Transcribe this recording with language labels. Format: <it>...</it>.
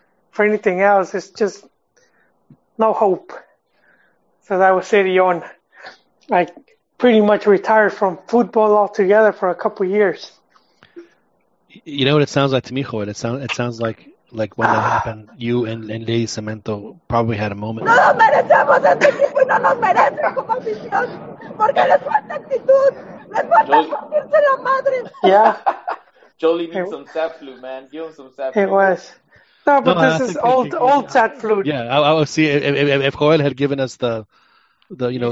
<en>For anything else, it's just no hope. So that was Sirion. I pretty much retired from football altogether for a couple of years. You know what it sounds like to me, Joel? It sounds like when that happened, you and Lady Cemento probably had a moment.</en> <es>No nos merecemos este equipo y no nos merecen como afición, porque les falta actitud, les falta partirse la madre.</es> <en>Yeah. Jolie needs some sad flu, man. Give him some sad flu. It was. No, but no, this is old sad flu. Yeah, I see. If Joel had given us the you know,</en>